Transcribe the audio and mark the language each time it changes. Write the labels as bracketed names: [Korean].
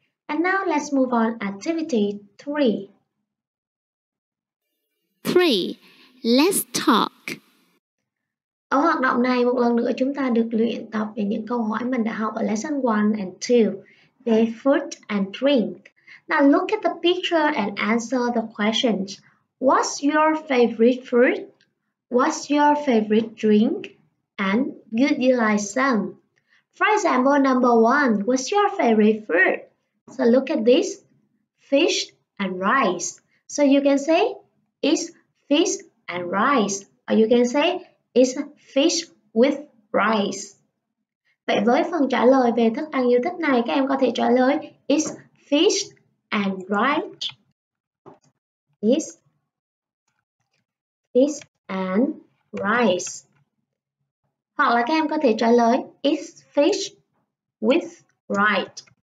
[English] And now let's move on activity 3. 3. Let's talk. [Vietnamese] Ở hoạt động này, một lần nữa chúng ta được luyện tập về những câu hỏi mình đã học ở [English] lesson 1 and 2 [Vietnamese] về [English] food and drink. Now look at the picture and answer the questions. What's your favorite food? What's your favorite drink? And would you like some? For example, number one, what's your favorite food? So look at this, fish and rice. So you can say, it's fish and rice. Or you can say, it's fish with rice. [Vietnamese] Vậy với phần trả lời về thức ăn yêu thích này, các em có thể trả lời, [English] it's fish and rice. It's fish and rice. [Vietnamese] Hoặc là các em có thể trả lời, [English] it's fish with rice.